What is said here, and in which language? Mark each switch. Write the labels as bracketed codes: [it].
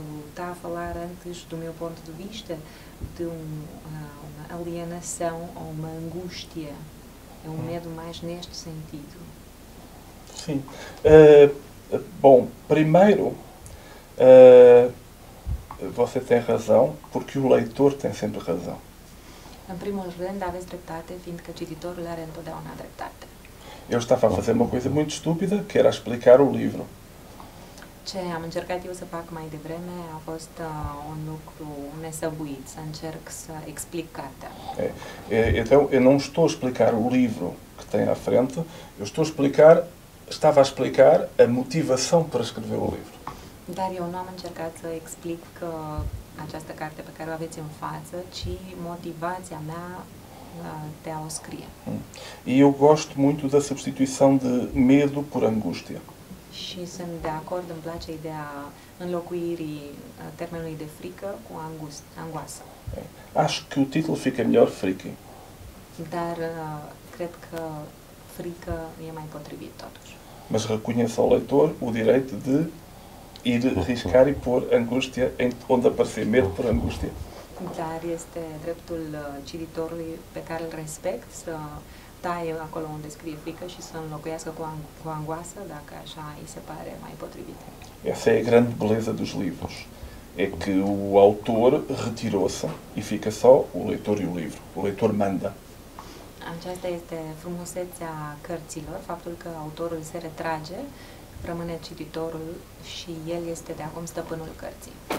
[pt] Está a falar antes, do meu ponto de vista, de uma alienação ou uma angústia. É um medo mais neste sentido. Sim. Bom, primeiro, você tem razão, porque o leitor tem sempre razão. [ro] În primul rând, aveți dreptate, fiindcă cititorul are întotdeauna dreptate. [pt] Eu estava a fazer uma coisa muito estúpida, que era explicar o livro. [ro] Ce am încercat eu să fac mai devreme a fost un lucru nesăbuit, să încerc să explic cartea. [pt] Então, eu não estou a explicar o livro que tem à frente, eu estou a explicar, estava a explicar a motivação para escrever o livro. [ro] Dar eu nu am încercat să explic că această carte pe care o aveți în față, ci motivația mea de a o scrie. [pt] E eu gosto muito da substituição de medo por angústia. [ro] Și sunt de acord, îmi place ideea înlocuirii termenului de frică cu angoasă. [pt] Acho que o título fica melhor friki. [ro] Dar cred că frică e mai potrivit totuși. [pt] Mas reconheço ao leitor o direito de ir riscar e pôr angústia onde aparecer medo por angústia. [ro] Dar este dreptul cititorului pe care îl respect să taie acolo unde scrie frică și să înlocuiască cu angoasă, dacă așa îi se pare mai potrivit. [pt] Essa é a grande beleza dos livros. É que o autor retirou-se e fica só o leitor e o livro. O leitor manda. [ro] Aceasta este frumusețea cărților, faptul că autorul se retrage, rămâne cititorul și el este de acum stăpânul cărții.